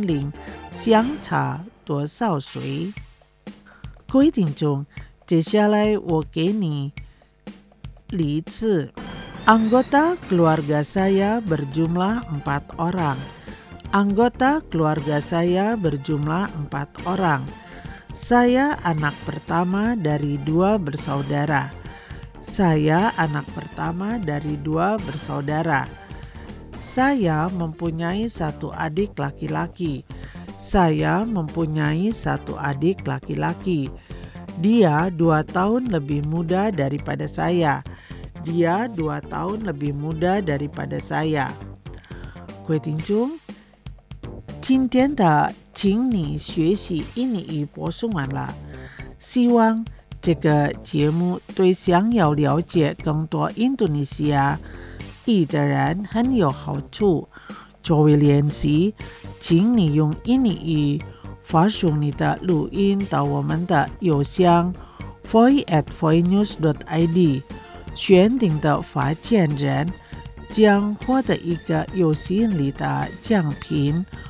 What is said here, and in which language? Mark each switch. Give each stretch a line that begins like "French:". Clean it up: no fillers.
Chinese: 中文意思就是你和你的兄弟或者姐妹的年龄相差多少岁?规定中, 接下来我给你例子。
Indonesian: Anggota keluarga saya berjumlah 4 orang. Anggota keluarga saya berjumlah 4 orang. Saya anak pertama dari 2 bersaudara. Saya anak pertama dari 2 bersaudara. Saya mempunyai 1 adik laki-laki. Saya mempunyai 1 adik laki-laki. Dia 2 tahun lebih muda daripada saya. Dia 2 tahun lebih muda daripada saya.
Chinese: Gue Tingcung, 今天的请你学习印尼语播送完了。希望这个节目对想要了解更多印尼西亚的人很有好处。作为练习，请你用印尼语发送你的录音到我们的邮箱 voice@voinews.id， 选定的发件人将获得一个有吸引力的奖品。